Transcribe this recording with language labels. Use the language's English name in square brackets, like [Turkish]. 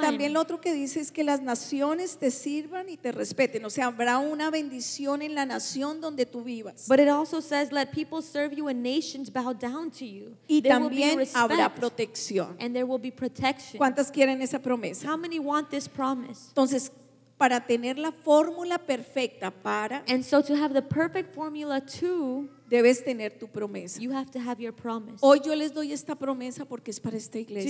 [Spanish] Pero también lo otro que dice es que las naciones te sirvan y te respeten, o sea, habrá una bendición en la nación donde tú vivas. [English] But it also says let people serve you and nations bow down to you. [Spanish] Y there también habrá protección. [English] And there will be protection. [Spanish] ¿Cuántas quieren esa promesa? [English] How many want this promise? [Spanish] Entonces, para tener la fórmula perfecta para [English] and so to have the perfect formula to [Spanish] debes tener tu promesa. [English] You have to have your promise. [Spanish] Hoy yo les doy esta promesa porque es para esta iglesia.